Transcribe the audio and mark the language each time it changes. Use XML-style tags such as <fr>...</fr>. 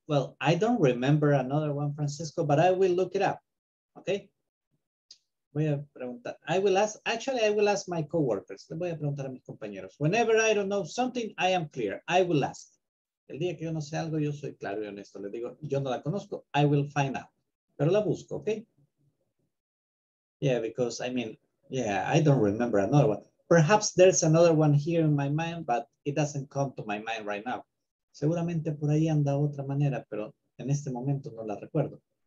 <en>Well, I don't remember another one, Francisco, but I will look it up. Okay.</en> <es>Voy a preguntar.</es> <en>I will ask, actually, I will ask my coworkers.</en> <es>Le voy a preguntar a mis compañeros.</es> <en>Whenever I don't know something, I am clear. I will ask.</en> <es>El día que yo no sé algo, yo soy claro y honesto. Le digo, yo no la conozco.</es> <en>I will find out.</en> <es>Pero la busco, okay?</es> <en>Yeah, because I mean, yeah, I don't remember another one. Perhaps there's another one here in my mind, but it doesn't come to my mind right now.</en> <es>Seguramente por ahí anda otra manera, pero en este momento no la recuerdo.</es>